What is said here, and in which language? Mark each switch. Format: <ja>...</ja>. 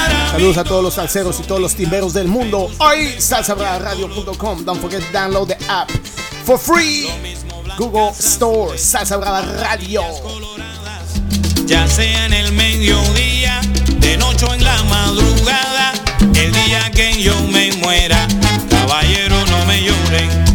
<es>Saludos a todos los salseros y todos los timberos del mundo. Ahí, SalsaBravaRadio.com.</es> <en>Don't forget to download the app for free.</en> <es>Google Store, SalsaBravaRadio. Ya sea en el mediodía, de noche o en la madrugada, el día que yo me muera, caballero, no me lloren.</es>